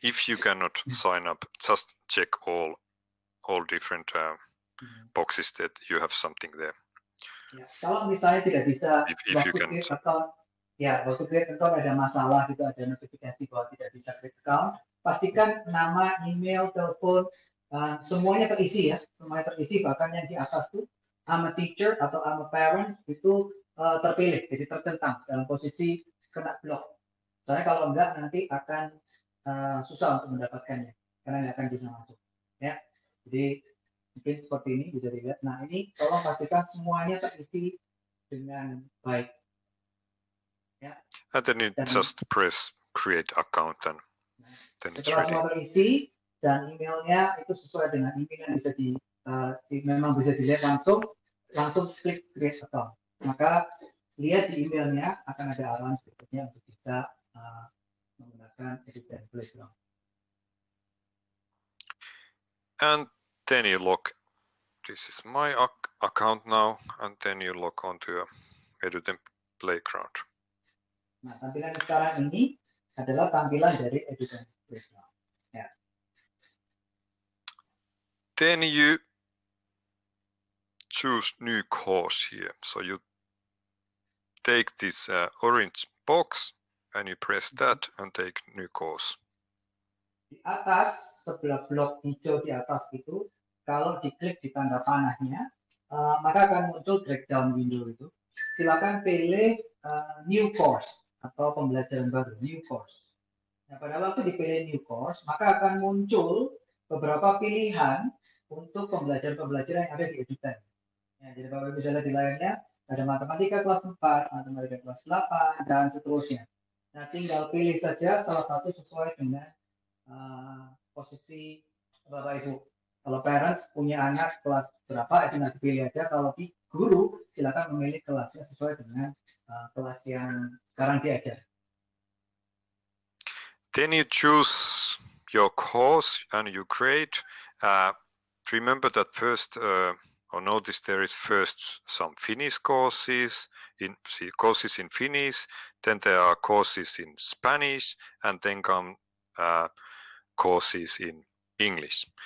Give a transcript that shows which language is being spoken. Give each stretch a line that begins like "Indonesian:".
English: If you cannot sign up, just check all different boxes that you have something there.
Indonesian: Ya, kalau misalnya tidak bisa, waktu create account ada masalah, itu ada notifikasi bahwa tidak bisa create account, pastikan nama, email, telepon, semuanya terisi ya, semuanya terisi, bahkan yang di atas itu,
English: I'm a teacher
Indonesian: atau
English: I'm a parent,
Indonesian: itu terpilih, jadi tercentang dalam posisi kena block. Soalnya kalau enggak, nanti akan susah untuk mendapatkannya, karena enggak akan bisa masuk. Ya, jadi mungkin seperti ini bisa dilihat. Nah ini tolong pastikan semuanya terisi dengan baik. Ya.
English: And then you just press create account and then it's ready.
Indonesian: Setelah semua terisi dan emailnya itu sesuai dengan email yang bisa di, memang bisa dilihat langsung klik create account. Maka lihat di emailnya akan ada arahan berikutnya untuk kita menggunakan edit template.
English: And then you log, this is my account now, and then you log onto a EDUTEN Playground.
Indonesian: Nah, tampilan sekarang ini adalah tampilan dari EDUTEN Playground.
English: Yeah. Then you choose new course here. So you take this orange box and you press that and take new course.
Indonesian: Di atas, sebelah blok hijau di atas itu, kalau diklik di tanda panahnya, maka akan muncul drag-down window itu. Silakan pilih new course atau pembelajaran baru, new course. Nah, pada waktu dipilih new course, maka akan muncul beberapa pilihan untuk pembelajaran-pembelajaran yang ada di EDUTEN. Ya, jadi Bapak-Ibu bisa lihat di layarnya, ada matematika kelas 4, matematika kelas 8, dan seterusnya. Nah, tinggal pilih saja salah satu sesuai dengan posisi Bapak Ibu. Kalau parents punya anak kelas berapa, itu nanti pilih aja. Kalau guru, silakan memilih kelasnya sesuai dengan kelas yang sekarang diajar.
English: Then you choose your course and you create. Remember that first, or notice there is first some Finnish courses in courses in Finnish, then there are courses in Spanish, and then come courses in English.